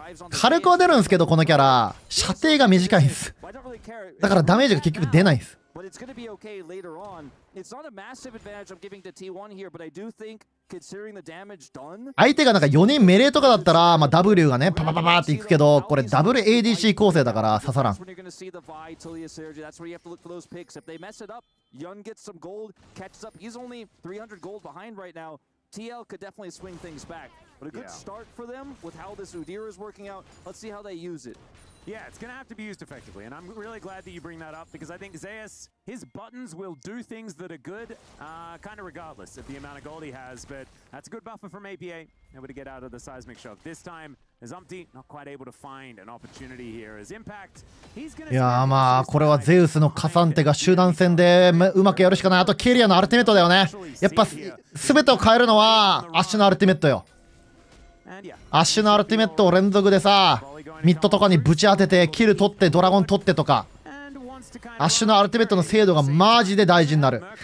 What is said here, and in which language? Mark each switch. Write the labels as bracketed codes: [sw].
[ja] 火力は出るんですけどこのキャラ、射程が短いんす。だからダメージが結局出ないんす。 [en] But it's gonna be okay later on. It's not a massive advantage I'm giving to T1 here, but I do think considering the damage done. [ja] 相手がなんか4人メレーとかだったら、まあ W がね、パパパパっていくけど、これ W ADC 構成だから刺さらん。 [en] TL could definitely swing things back. But a good start for them with how this Udyr is working out. Let's see how they use it. Yeah, it's going to have to be used effectively, and I'm really glad that you bring that up, because I think Zayas, his buttons will do things that are good, kind of regardless of the amount of gold he has, but that's a good buffer from APA. Able to get out of the seismic shock this time. As Umpty, not quite able to find an opportunity here. As Impact, he's going to... [ja] いやー、まあ、これはゼウスのカサンテが集団戦でうまくやるしかない。あとケリアのアルティメットだよね。やっぱ、すべてを変えるのはアッシュのアルティメットよ。アッシュのアルティメットを連続でさ、ミッドとかにぶち当てて、キル取って、ドラゴン取ってとか、アッシュのアルティメットの精度がマジで大事になる。